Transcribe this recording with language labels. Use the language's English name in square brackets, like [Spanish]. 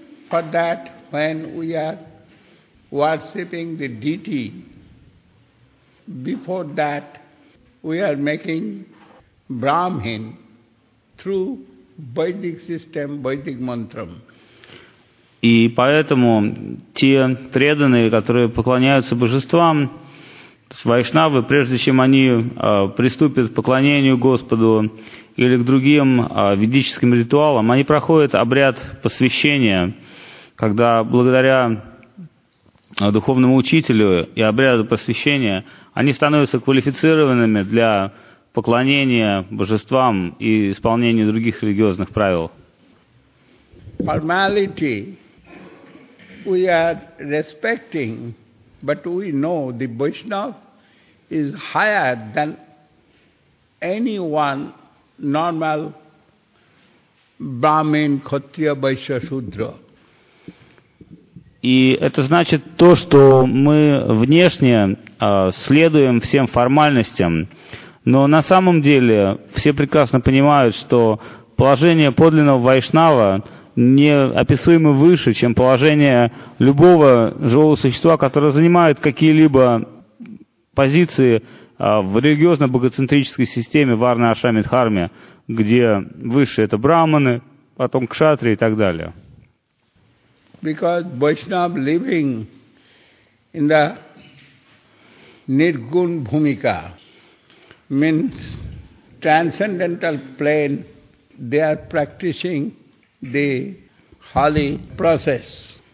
[English] For that, when we are worshipping the deity, before that, we are making Brahmin through Vedic system, Vedic mantram. [Russian] И поэтому те преданные, которые поклоняются божествам, вайшнавы, прежде чем они приступят к поклонению Господу или к другим ведическим ритуалам, они проходят обряд посвящения, когда благодаря духовному учителю и обряду посвящения они становятся квалифицированными для поклонения божествам и исполнения других религиозных правил. [English] Formality we are respecting, but we know the Vaishnava is higher than anyone normal Brahmin, Kshatriya, Vaishya, Shudra. [Russian] И это значит то, что мы внешне следуем всем формальностям, но на самом деле все прекрасно понимают, что положение подлинного вайшнава неописуемо выше, чем положение любого живого существа, которое занимает какие-либо позиции в религиозно-богоцентрической системе Варна Ашами Дхарме, где высшие это брахманы, потом кшатри и так далее. [English] Because Vaishnava living in the nirgun bhumika means transcendental plane, they are practicing the holy process.